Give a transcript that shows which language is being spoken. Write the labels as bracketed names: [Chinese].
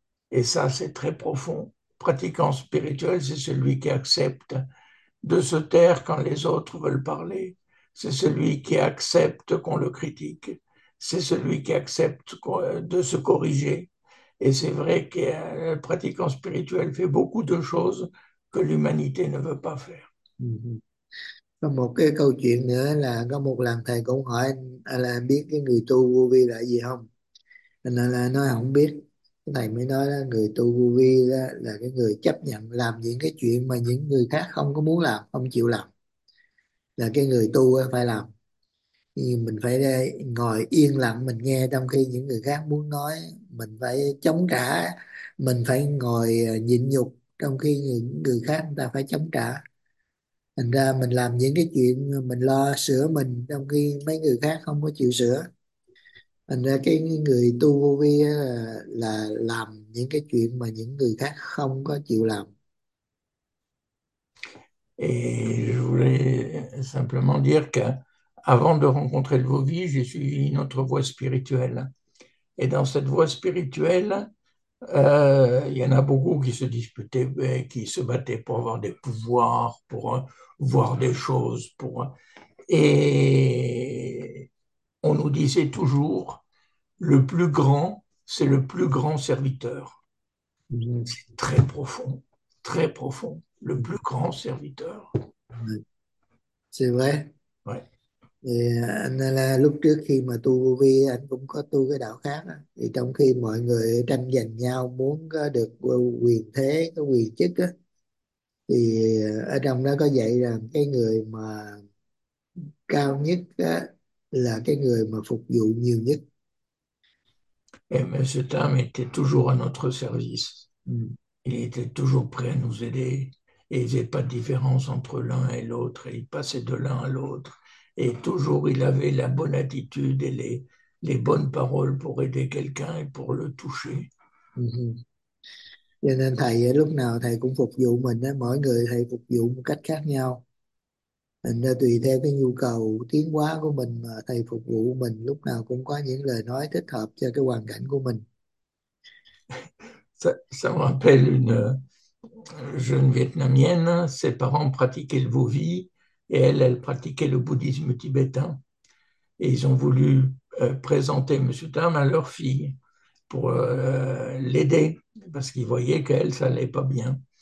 [French] Et ça, c'est très profond. Pratiquant spirituel, c'est celui qui accepte de se taire quand les autres veulent parler. C'est celui qui accepte qu'on le critique. C'est celui qui accepte de se corriger. Et c'est vrai qu'un pratiquant spirituel fait beaucoup de choses que l'humanité ne veut pas faire. [Vietnamese] Có một cái câu chuyện nữa là có một lần thầy cũng hỏi anh là anh biết cái người tu vô vi là gì không? Anh là nói không biết. Cái thầy mới nói là người tu vô vi là cái người chấp nhận làm những cái chuyện mà những người khác không có muốn làm, không chịu làm. Là cái người tu phải làm. Nhưng mình phải đây, ngồi yên lặng mình nghe trong khi những người khác muốn nói, mình phải chống trả, mình phải ngồi nhịn nhục trong khi những người khác người ta phải chống trả. Thành ra mình làm những cái chuyện mình lo sửa mình trong khi mấy người khác không có chịu sửa. Thành ra cái người tu vô vi là làm những cái chuyện mà những người khác không có chịu làm. [French] Et je voulais simplement dire qu'avant de rencontrer le Vovi, j'ai suivi une autre voie spirituelle. Et dans cette voie spirituelle, il y en a beaucoup qui se disputaient, qui se battaient pour avoir des pouvoirs, pour voir des choses. Et on nous disait toujours, le plus grand, c'est le plus grand serviteur. C'est très profond, très profond. Le plus grand serviteur. C'est vrai. Ouais. [Vietnamese] Thì anh là lúc trước khi mà tu vô vi anh cũng có tu cái đạo khác đó. Thì trong khi mọi người tranh giành nhau muốn có được quyền thế, có quyền chức đó, thì ở trong đó có dạy rằng cái người mà cao nhất đó là cái người mà phục vụ nhiều nhất. [French] Et monsieur Tam était toujours à notre service. Il était toujours prêt à nous aider. Et il n'y avait pas de différence entre l'un et l'autre. Il passait de l'un à l'autre. Et toujours, il avait la bonne attitude et les bonnes paroles pour aider quelqu'un et pour le toucher. [Vietnamese] Cho nên thầy lúc nào thầy cũng phục vụ mình á, mỗi người thầy phục vụ một cách khác nhau. Thành ra tùy theo cái nhu cầu tiến hóa của mình mà thầy phục vụ mình lúc nào cũng có những lời nói thích hợp cho cái hoàn cảnh của mình. [French] Ça me rappelle une jeune Vietnamienne, ses parents pratiquaient le Vovi et elle pratiquait le bouddhisme tibétain. Et ils ont voulu présenter M. Tam à leur fille pour l'aider, parce qu'ils voyaient qu'elle, ça n'allait pas bien.